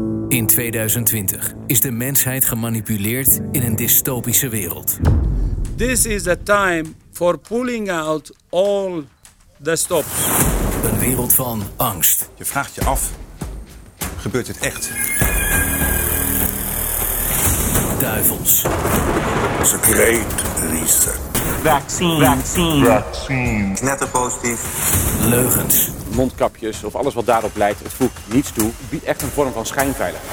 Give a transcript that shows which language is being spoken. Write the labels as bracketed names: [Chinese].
[Dutch] In 2020 is de mensheid gemanipuleerd in een dystopische wereld. [English] This is the time for pulling out all the stops. [Dutch] Een wereld van angst. Je vraagt je af, gebeurt het echt? Duivels. [English] It's a great reset. Vaccine. [Dutch] Knetterpositief. Leugens. Mondkapjes of alles wat daarop leidt, het voegt niets toe, biedt echt een vorm van schijnveiligheid.